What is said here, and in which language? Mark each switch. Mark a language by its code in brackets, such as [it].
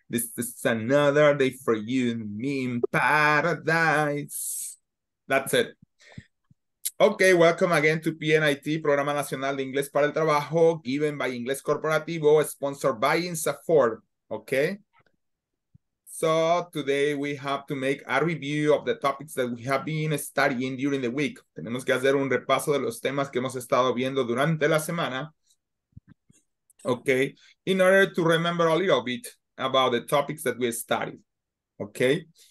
[en] This is another day for you and me in paradise. That's it. Okay, welcome again to PNIT, Programa Nacional de Inglés para el Trabajo, given by Inglés Corporativo, sponsored by INSAFOR. Okay. So today we have to make a review of the topics that we have been studying during the week. [es] Tenemos que hacer un repaso de los temas que hemos estado viendo durante la semana. [en] Okay. In order to remember a little bit about the topics that we studied. Okay.